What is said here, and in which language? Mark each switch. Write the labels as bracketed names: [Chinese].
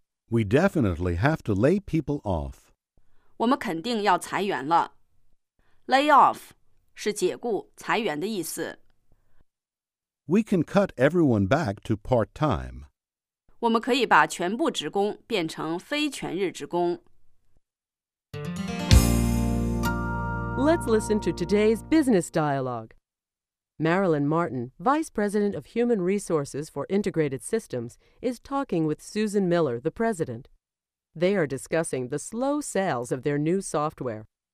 [English] We definitely have to lay people off. [Chinese] 我们肯定要裁员了。 Lay off 是解雇、裁员的意思。 [English] We can cut everyone back to part-time. [Chinese] 我们可以把全部职工变成非全日职工。 [English] Let's listen to today's business dialogue. Marilyn Martin, Vice President of Human Resources for Integrated Systems, is talking with Susan Miller, the President. They are discussing the slow sales of their new software.